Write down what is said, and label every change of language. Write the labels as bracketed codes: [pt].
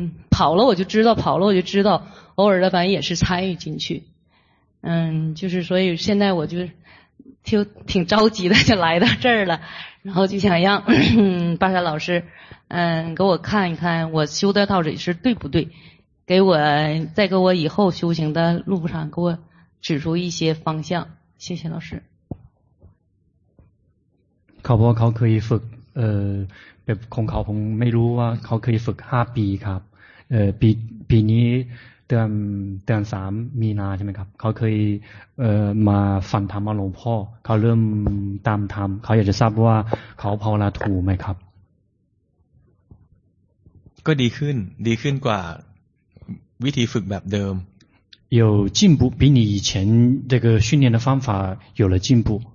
[zh] 跑了我就知道跑了我就知道偶尔的反正也是参与进去就是所以现在我就挺着急的就来到这儿了然后就想让巴沙老师给我看一看我修的到底是对不对给我再给我以后修行的路上给我指出一些方向谢谢老师 [th] เขาบอกเขาเคยฝึกแบบของเขาผมไม่รู้ว่าเขาเคยฝึก5ปีครับปีนี้เดือน3มีนาใช่ไหมครับเขาเคยมาฟังธรรมหลวงพ่อเขาเริ่มตามธรรมเขาอยากจะทราบว่าเขาภาวนาถูกไหมครับ ก็ดีขึ้นดีขึ้นกว่าวิธีฝึกแบบเดิม [zh] 有进步比你以前这个训练的方法有了进步